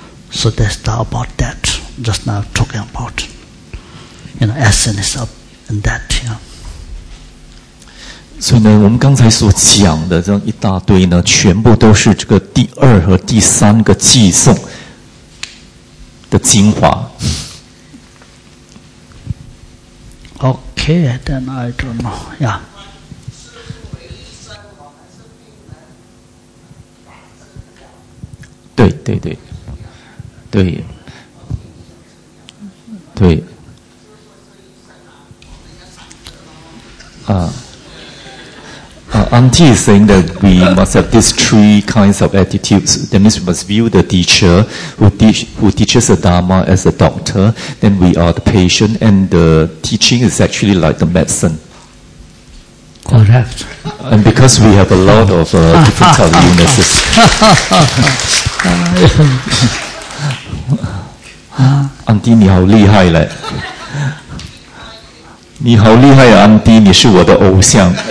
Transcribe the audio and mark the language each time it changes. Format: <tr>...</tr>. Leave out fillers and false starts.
<en>So that's about that. Just now talking about, you know, essence of that, you know.</en> <zh>所以呢，我们刚才所讲的这样一大堆呢，全部都是这个第二和第三个偈颂的精华。</zh> <en>Okay, then I don't know. Yeah.</en> <zh>Yeah. 对对对。对对</zh> <en>啊Auntie is saying that we must have these three kinds of attitudes. That means we must view the teacher who teaches the Dharma as a doctor. Then we are the patient, and the teaching is actually like the medicine. Correct. And because we have a lot of different types of illnesses.</en> <zh>Auntie, 你好厉害嘞！你好厉害啊安迪你是我的偶像</zh>